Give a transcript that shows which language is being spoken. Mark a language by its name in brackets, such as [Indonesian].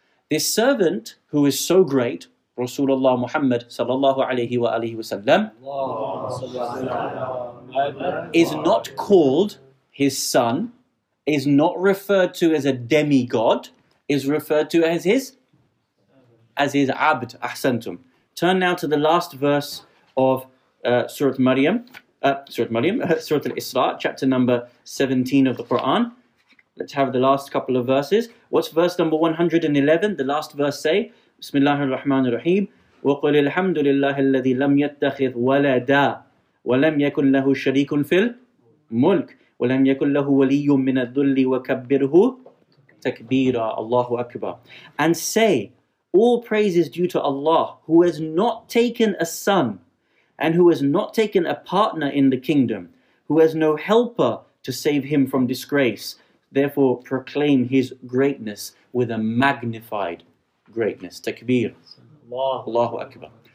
[English] This servant who is so great, Rasulullah Muhammad sallallahu alayhi wa alayhi wa sallam, is not called his son, is not referred to as a demigod, is referred to as his abd, ahsantum. Turn now to the last verse of Surah Al-Isra, chapter number 17 of the Quran. Let's have the last couple of verses. What's verse number 111? The last verse say, Bismillah ar-Rahman ar-Rahim, [Arabic] وَقُلِ الْحَمْدُ لِلَّهِ الَّذِي لَمْ يَتَّخِذْ وَلَدَى وَلَمْ يَكُنْ لَهُ شَرِيكٌ فِي الْمُلْكِ وَلَمْ يَكُنْ لَهُ وَلِيٌّ مِّنَ الذُّلِّ وَكَبِّرْهُ تَكْبِيرًا. Allahu Akbar. [English] And say, all praise is due to Allah, who has not taken a son, and who has not taken a partner in the kingdom, who has no helper to save him from disgrace. Therefore, proclaim his greatness with a magnified greatness. Takbir. Allahu Akbar.